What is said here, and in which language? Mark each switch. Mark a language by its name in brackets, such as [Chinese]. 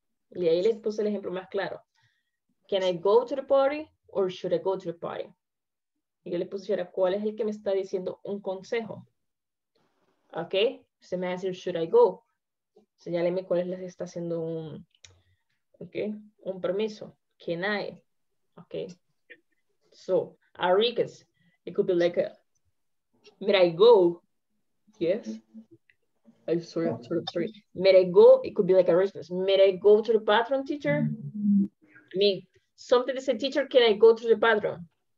[Spanish] Y ahí les puse el ejemplo más claro. [English] Can I go to the party or should I go to the party? [Spanish] Y yo le pusiera, ¿cuál es el que me está diciendo un consejo? Ok, se me va a decir, [English] should I go? [Spanish] Señáleme cuál es el que está haciendo un, okay, un permiso. [English] Can I? Ok. So, a request, it could be like, may I go? Yes. I'm sorry, may I go? It could be like a response. May I go to the patron, teacher? I mean, something that says, teacher, can I go to the patron?